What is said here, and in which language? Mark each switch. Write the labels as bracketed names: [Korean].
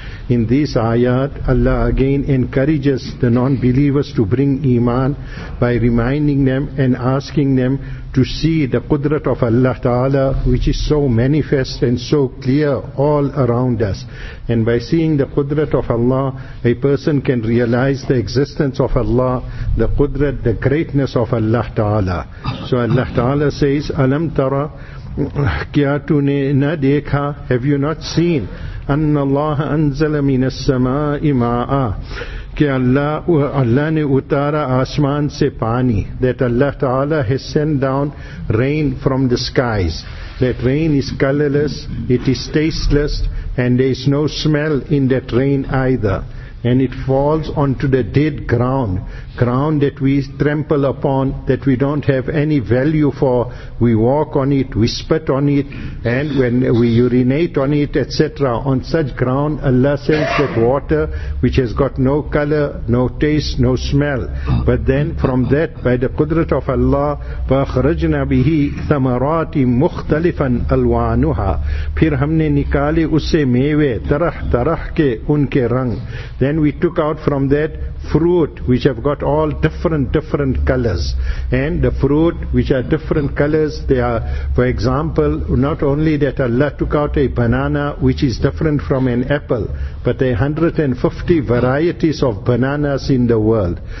[English] In this ayat, Allah again encourages the non-believers to bring iman by reminding them and asking them to see the qudrat of Allah Ta'ala, which is so manifest and so clear all around us. And by seeing the qudrat of Allah, a person can realize the existence of Allah, the qudrat, the greatness of Allah Ta'ala. So Allah Ta'ala says, [Arabic] Alam tara, [Urdu] kya tu ne na dekha, [English] have you not seen? [Arabic] أن الله أنزل من السماء ماء [Urdu] کہ اللہ نے اتارا آسمان سے پانی. [English] That Allah Ta'ala has sent down rain from the skies. That rain is colorless, it is tasteless, and there is no smell in that rain either. And it falls onto the dead ground, ground that we trample upon, that we don't have any value for. We walk on it, we spit on it, and when we urinate on it, etc. On such ground, Allah says that water, which has got no color, no taste, no smell. But then from that, by the qudrat of Allah, [Arabic] فَأَخْرَجْنَا بِهِ ثَمَرَاتِ مُخْتَلِفًا أَلْوَانُهَا [Urdu] پھر ہم نے نکالے اسے میوے ترح ترح کے ان کے رنگ. [English] Then we took out from that fruit which have got all different colors. And the fruit which are different colors, they are, for example, not only that Allah took out a banana which is different from an apple, but 150 varieties of bananas in the world.